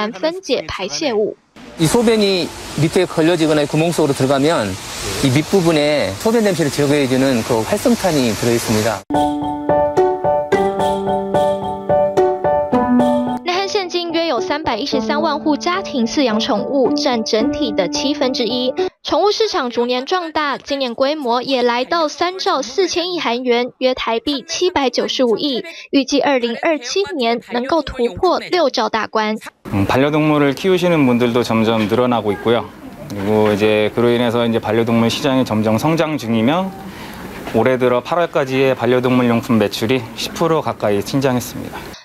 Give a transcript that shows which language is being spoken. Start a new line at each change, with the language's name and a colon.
Chinese: 文在寅试图让南韩摆脱吃狗肉的骂名，也致力打造友善宠物的环境。经济道河滨公园最近为猫狗设置专用公厕，利用环保材料自然分解排泄物。
Korean: 이소변이 밑에 걸려지거나 구멍 속으로 들어가면 이 밑부분에 소변 냄새를 제거해주는 그 활성탄이 들어있습니다.
Chinese: 313万户家庭饲养宠物，占整体的1/7。宠物市场逐年壮大，今年规模也来到3兆4000亿韩元，约台币795亿。预计2027年能够突破6兆大关。
Korean: 반려동물을 키우시는 분들도 점점 늘어나고 있고요. 그리고 이제 그로 인해서 이제 반려동물 시장이 점점 성장 중이며. 올해 들어 8월까지의 반려동물 용품 매출이 10% 가까이 성장했습니다.